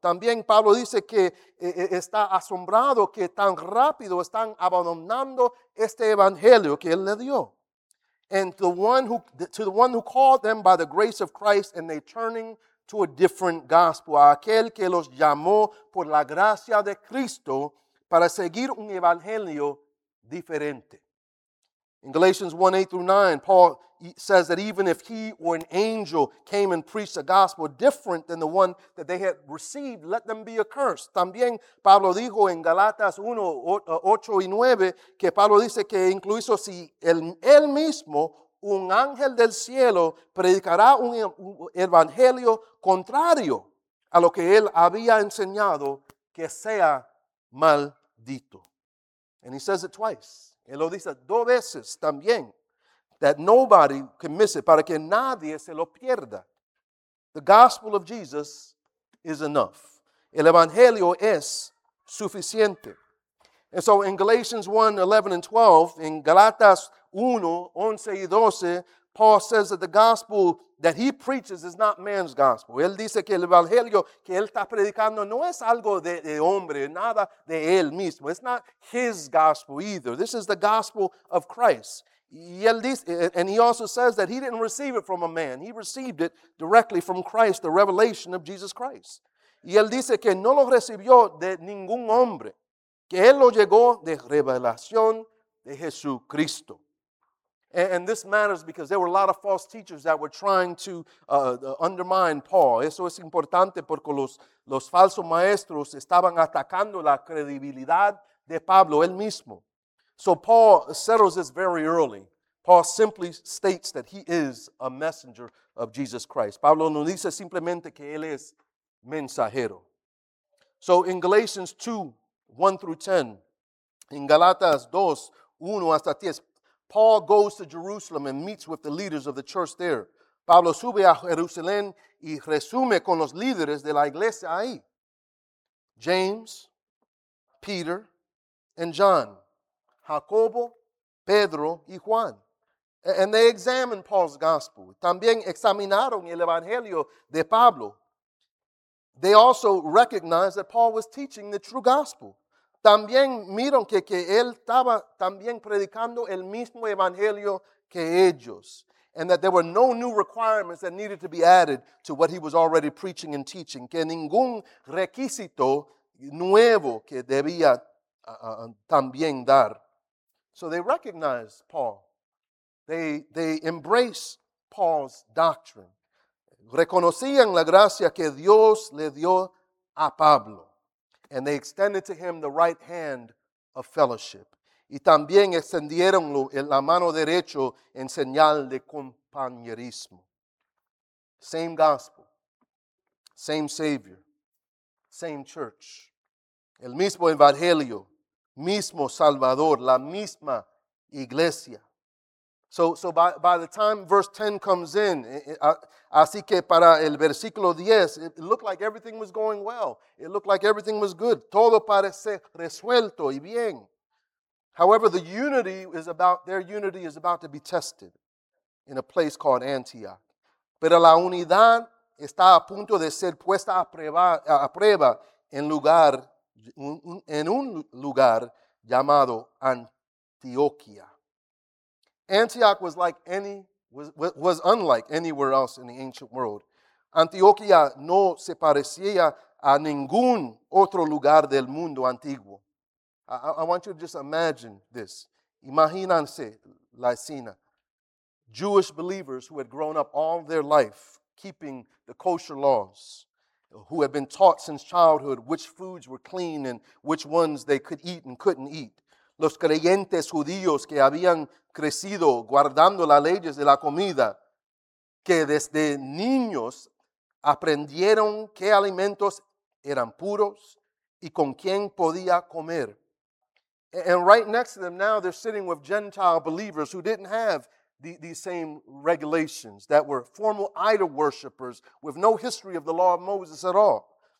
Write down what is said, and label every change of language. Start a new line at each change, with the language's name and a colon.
Spanish: También Pablo dice que está asombrado que tan rápido están abandonando este evangelio que él le dio.
English: And to the one who called them by the grace of Christ and they turning to a different gospel,
Spanish: a aquel que los llamó por la gracia de Cristo para seguir un evangelio diferente.
English: In Galatians 1, 8 through 9, Paul says that even if he or an angel came and preached a gospel different than the one that they had received, let them be accursed.
Spanish: También Pablo dijo en Galatas 1, 8 y 9, que Pablo dice que incluso si él mismo, un ángel del cielo, predicará un evangelio contrario a lo que él había enseñado, que sea maldito.
English: And he says it twice.
Spanish: Él lo dice dos veces también,
English: that nobody can miss it,
Spanish: para que nadie se lo pierda.
English: The gospel of Jesus is enough.
Spanish: El evangelio es suficiente.
English: And so in Galatians 1, 11 and 12, in
Spanish: Galatas 1, 11 y 12,
English: Paul says that the gospel that he preaches is not man's gospel.
Spanish: Él dice que el evangelio que él está predicando no es algo de hombre, nada de él mismo.
English: It's not his gospel either. This is the gospel of Christ.
Spanish: Y él dice,
English: and he also says that he didn't receive it from a man. He received it directly from Christ, the revelation of Jesus Christ.
Spanish: Y él dice que no lo recibió de ningún hombre, que él lo llegó de revelación de Jesucristo.
English: And this matters because there were a lot of false teachers that were trying to undermine Paul.
Spanish: Eso es importante porque los falsos maestros estaban atacando la credibilidad de Pablo él mismo.
English: So Paul settles this very early. Paul simply states that he is a messenger of Jesus Christ.
Spanish: Pablo no dice simplemente que él es mensajero.
English: So in Galatians 2, 1 through 10, in
Spanish: Galatas 2, 1 hasta 10,
English: Paul goes to Jerusalem and meets with the leaders of the church there.
Spanish: Pablo sube a Jerusalén y resume con los líderes de la iglesia ahí.
English: James, Peter, and John.
Spanish: Jacobo, Pedro, y Juan.
English: And they examine Paul's gospel.
Spanish: También examinaron el evangelio de Pablo.
English: They also recognize that Paul was teaching the true gospel.
Spanish: También miran que él estaba también predicando el mismo evangelio que ellos.
English: And that there were no new requirements that needed to be added to what he was already preaching and teaching.
Spanish: Que ningún requisito nuevo que debía también dar.
English: So they recognize Paul. They embrace Paul's doctrine.
Spanish: Reconocían la gracia que Dios le dio a Pablo.
English: And they extended to him the right hand of fellowship.
Spanish: Y también extendieron la mano derecha en señal de compañerismo.
English: Same gospel. Same Savior. Same church.
Spanish: El mismo evangelio. Mismo Salvador. La misma iglesia.
English: So by the time verse 10 comes in,
Spanish: así que para el versículo 10,
English: it looked like everything was going well. It looked like everything was good.
Spanish: Todo parece resuelto y bien.
English: However, the unity is about, their unity is about to be tested in a place called Antioch.
Spanish: Pero la unidad está a punto de ser puesta a prueba en un lugar llamado Antioquia.
English: Antioch was unlike anywhere else in the ancient world.
Spanish: Antioquia no se parecía a ningún otro lugar del mundo antiguo.
English: I want you to just imagine this.
Spanish: Imagínense la escena.
English: Jewish believers who had grown up all their life keeping the kosher laws, who had been taught since childhood which foods were clean and which ones they could eat and couldn't eat.
Spanish: Los creyentes judíos que habían crecido guardando las leyes de la comida, que desde niños aprendieron qué alimentos eran puros y con quién podía comer.
English: And right next to them now they're sitting with Gentile believers who didn't have these same regulations, that were formal idol worshipers with no history of the law of Moses at all.